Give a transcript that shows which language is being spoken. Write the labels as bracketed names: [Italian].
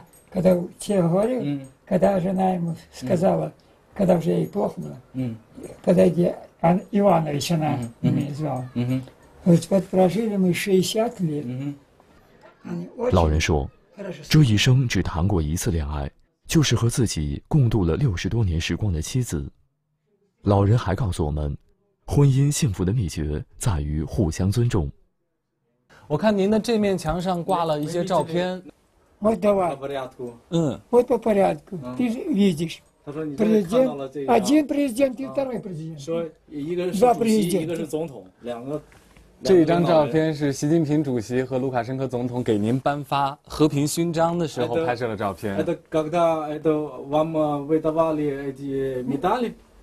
[Russian] Когда тебе говорю, когда жена ему сказала, когда уже ей плохо было, когда Иванович она меня звала, вот прожили мы 60 лет. [Chinese] 老人说，这一生只谈过一次恋爱，就是和自己共度了60多年时光的妻子。老人还告诉我们，婚姻幸福的秘诀在于互相尊重。我看您的这面墙上挂了一些照片。 [Russian] Вот давай. Вот по порядку. Ты же видишь. Президент. Один президент и второй президент. Два президента. [Chinese] 这张照片是习近平主席和卢卡申科总统给您颁发和平勋章的时候拍摄的照片。 [Russian] Это когда это вам выдавали эти медали?